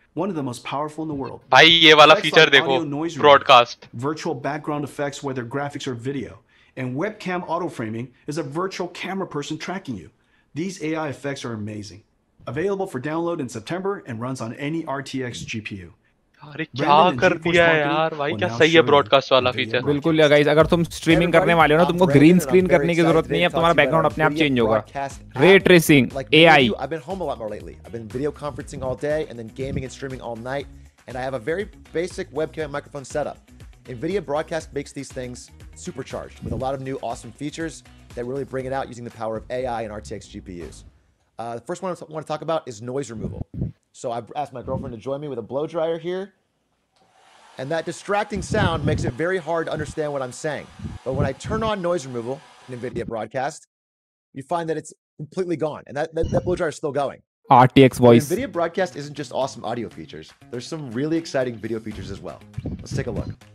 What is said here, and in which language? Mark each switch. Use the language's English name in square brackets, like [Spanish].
[English] one of the most powerful in the world [Hindi] bhai ye wala feature dekho [English] broadcast virtual background effects whether graphics or video and webcam auto framing is a virtual camera person tracking you these AI effects are amazing available for download in September and runs on any RTX GPU [Hindi] अरे क्या कर दिया है यार भाई क्या सही है ब्रॉडकास्ट वाला फीचर बिल्कुल या गाइस अगर तुम स्ट्रीमिंग करने वाले हो ना तुमको ग्रीन स्क्रीन करने की जरूरत नहीं है अब तुम्हारा बैकग्राउंड अपने आप चेंज होगा ray tracing AI [English] I been home a lot more lately I been video conferencing all day and then gaming and streaming all night and I have a very basic webcam microphone setup NVIDIA broadcast makes these things supercharged with a lot of new awesome features that really bring it out using the power of AI and RTX GPUs the first one I want to talk about is noise removal So I asked my girlfriend to join me with a blow dryer here. And that distracting sound makes it very hard to understand what I'm saying. But when I turn on noise removal in NVIDIA broadcast, you find that it's completely gone. And that blow dryer is still going. RTX voice. NVIDIA broadcast isn't just awesome audio features. There's some really exciting video features as well. Let's take a look.